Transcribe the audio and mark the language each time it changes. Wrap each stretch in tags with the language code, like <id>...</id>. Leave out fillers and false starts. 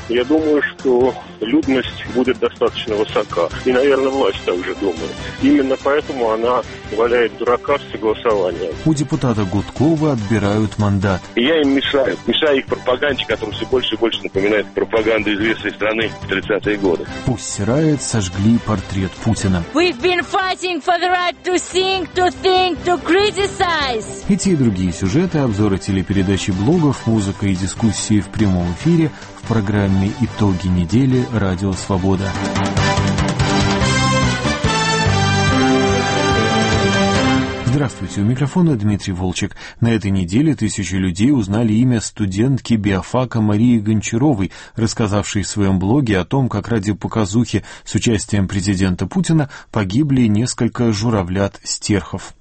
<ru>Я думаю, что людность будет достаточно высока. И, наверное, власть также думает. Именно поэтому она валяет дурака с согласованием. У депутата Гудкова отбирают мандат. Я им мешаю. Мешаю их пропаганде, которая все больше и больше напоминает пропаганду известной страны в 30-е годы. Пусть Riot сожгли портрет Путина.</ru> <en>We've been fighting for the right to sing, to think, to criticize.</en> <ru>И те, и другие сюжеты, обзоры телепередачи, блогов, музыка и дискуссии в прямом эфире в программе «Итоги недели» Радио Свобода. Здравствуйте, у микрофона Дмитрий Волчек. На этой неделе тысячи людей узнали имя студентки биофака Марии Гончаровой, рассказавшей в своем блоге о том, как ради показухи с участием президента Путина погибли несколько журавлят-стерхов.</ru>